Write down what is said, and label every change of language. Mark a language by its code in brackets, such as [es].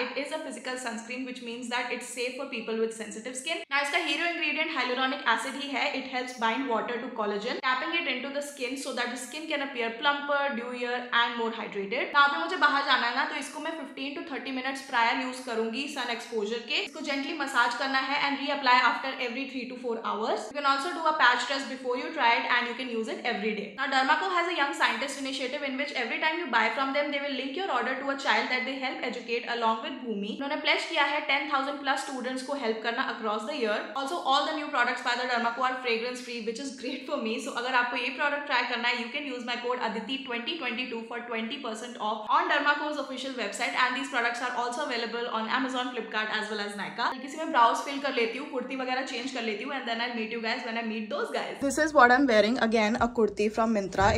[en] It is a physical sunscreen which means that it's safe for people with sensitive skin. Now इसका hero ingredient hyaluronic acid ही है, it helps bind water to collagen, tapping it into the skin so that the skin can appear plumper, dewier and more hydrated. [hi] तो आप मुझे बाहर जाना है ना तो इसको मैं 15 to 30 minutes prior use करूंगी sun exposure के। [en] इसको gently massage करना है and reapply after every 3 to 4 hours. You can also do a patch test before you try it and you can use it every day. Now Dermaco has a young scientist initiative in which every time you buy from them they will link your order to a child that they help educate along with Bhumi. उन्होंने pledge किया है 10,000 plus students को help करना across the year. Also all the new products by the Dermaco are fragrance free which is great for me. So अगर आप आपको ये product try करना है you can use my code Aditi 2022 for 20% off on Dermaco's official website and these products are also available on Amazon Flipkart as well as Nykaa. [hi] किसी में browse fill कर लेती हूँ, कुर्ती वगैरह चेंज कर लेती हूँ and then I meet you guys when I meet those guys. [en] This is what I am wearing again a kurti from Myntra.